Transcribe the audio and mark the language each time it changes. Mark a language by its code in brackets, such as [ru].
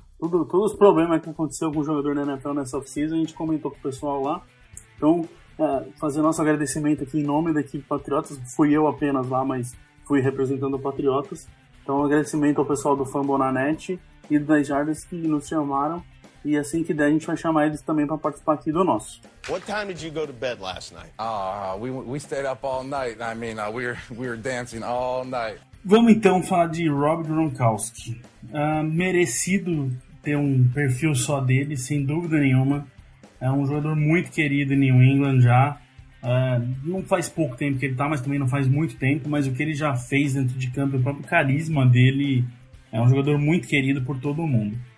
[pt] Todos os problemas que aconteceu com o jogador da NFL nessa off-season, a gente comentou com o pessoal lá. Então, fazer nosso agradecimento aqui em nome da equipe Patriotas. Fui eu apenas lá, mas fui representando o Patriotas. Então, agradecimento ao pessoal do Fã Bonanet e do 10 Jardas que nos chamaram. E assim que der, a gente vai chamar eles também para participar aqui do nosso. [en] What time did you go to bed last night? We stayed up all night. I mean, we were dancing all night. [pt] Vamos então falar de Rob Gronkowski. Merecido ter um perfil só dele, sem dúvida nenhuma. É um jogador muito querido em New England já. Não faz pouco tempo que ele tá, mas também não faz muito tempo. Mas o que ele já fez dentro de campo, o próprio carisma dele, é um jogador muito querido por todo mundo.